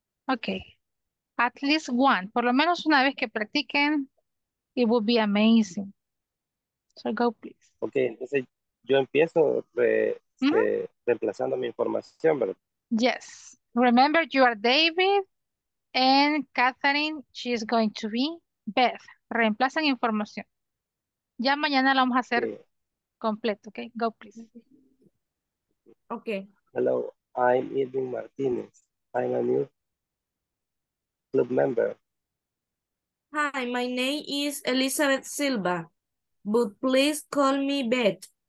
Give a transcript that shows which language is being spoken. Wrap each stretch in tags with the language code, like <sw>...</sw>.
<en>Okay. At least one.</en> <es>Por lo menos una vez que practiquen,</es> <en>it would be amazing. So go, please.</en> <es>Okay, entonces yo empiezo reemplazando mi información, ¿verdad?</es> <en>Yes. Remember, you are David and Catherine, she's going to be Beth.</en> <es>Reemplazan información. Ya mañana la vamos a hacer completo, okay?</es> <en>Go, please. Okay. Hello, I'm Irving Martinez. I'm a new club member. Hi, my name is Elizabeth Silva, but please call me Beth.</en>